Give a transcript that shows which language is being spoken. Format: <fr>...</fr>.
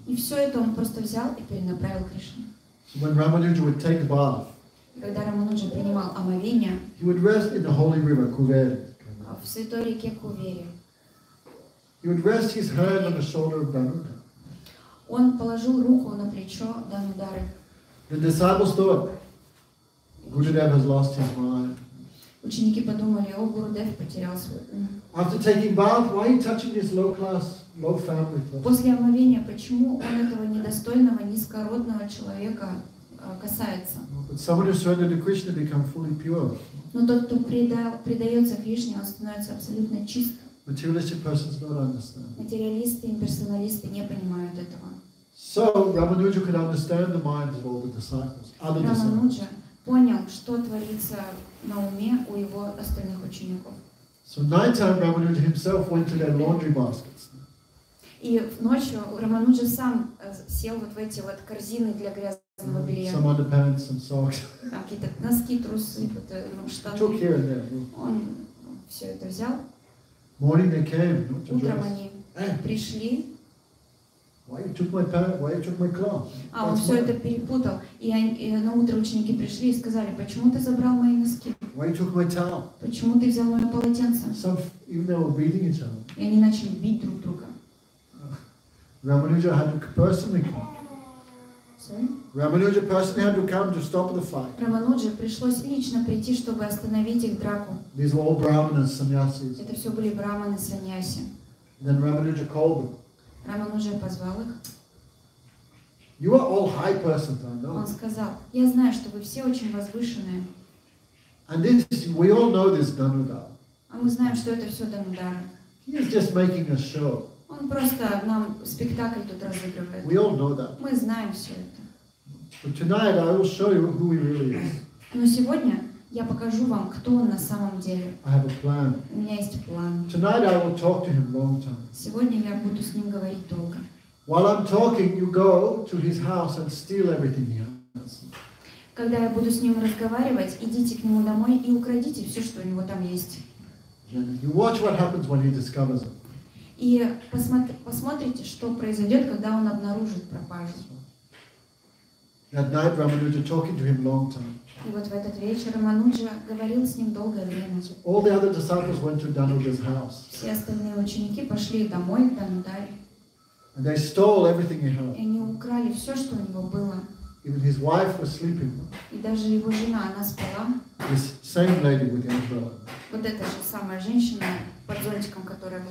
<ru>И все это он просто взял и перенаправил Кришне.</ru> <en>When Ramanuja would take bath,</en> <ru>когда Рамануджа принимал омовение,</ru> <en>he would rest in the holy river, Kuveri.</en> <ru>В святой реке Кувери.</ru> <en>He would rest his hand on the shoulder of Dhanudar.</en> <ru>Он положил руку на плечо Dhanudara.</ru> <en>The disciples thought, Gurudev has lost his mind.</en> <ru>Ученики подумали, о, Гурудев потерял свой ум.</ru> <en>After taking bath, why are you touching this low-class, low-family person?</en> <ru>После омовения, почему он этого недостойного, низкородного человека касается?</ru> <en>But someone who surrendered to Krishna become fully pure.</en> <ru>Но тот, кто предается Кришне, он становится абсолютно чист.</ru> <en>Materialistic persons don't understand.</en> <ru>Материалисты, имперсоналисты не понимают этого.</ru> <en>So Ramanuja could understand the minds of all the disciples, other disciples.</en> <ru>Рамануджа понял, что творится на уме у его остальных учеников.</ru> <en>So nighttime, Ramanuja himself went to their laundry baskets.</en> <ru>И ночью Рамануджа сам сел вот в эти вот корзины для грязного белья.</ru> <en>Some underpants, some socks.</en> <ru>Какие-то носки, трусы, штаны.</ru> <en>Took here and there.</en> <ru>Он все это взял.</ru> <en>Morning they came.</en> <ru>Утром они пришли.</ru> <en>Why you took my clothes?</en> <ru>Он все это перепутал. И на утро ученики пришли и сказали, почему ты забрал мои носки?</ru> <en>Why you took my towel?</en> <ru>Почему ты взял мое полотенце?</ru> <en>Even they were beating each other.</en> <ru>И они начали бить друг друга.</ru> <en>Ramanuja had to personally come. Sorry? Ramanuja personally had to come to stop the fight.</en> <ru>Рамануджа пришлось лично прийти, чтобы остановить их драку.</ru> <en>These were all brahmanas, sannyasis.</en> <ru>Это все были брахманы, саньяси.</ru> <en>Then Ramanuja called them.</en> <ru>Рамануджа позвал их.</ru> <en>You are all high persons, I know.</en> <ru>Он сказал, я знаю, что вы все очень возвышенные.</ru> <en>And this, we all know this Dhanudar.</en> <ru>А мы знаем, что это все Dhanudar.</ru> <en>He is just making a show.</en> <ru>Он просто нам спектакль тут разыгрывает.</ru> <en>We all know that.</en> <ru>Мы знаем все это.</ru> <en>But tonight I will show you who he really is.</en> <ru>Но сегодня Я покажу вам, кто он на самом деле.</ru> <en>I have a plan.</en> <ru>У меня есть план.</ru> <en>Tonight I will talk to him long time.</en> <ru>Сегодня я буду с ним говорить долго.</ru> <en>While I'm talking, you go to his house and steal everything he has.</en> <ru>Когда я буду с ним разговаривать, идите к нему домой и украдите все, что у него там есть.</ru> <en>You watch what happens when he discovers it.</en> <ru>И посмотрите, что произойдет, когда он обнаружит пропажу.</ru> <en>That night, Ramanuja talking to him long time.</en> <ru>И вот в этот вечер Рамануджа говорил с ним долгое время.</ru> <en>All the other disciples went to Dhanuja's house.</en> <ru>Все остальные ученики пошли домой к Дханударе.</ru> <en>And they stole everything he had.</en> <ru>И они украли все, что у него было.</ru> <en>Even his wife was sleeping.</en> <ru>И даже его жена, она спала.</ru> <en>This same lady with the umbrella.</en> <ru>Вот эта же самая женщина под зонтиком, которая была.</ru>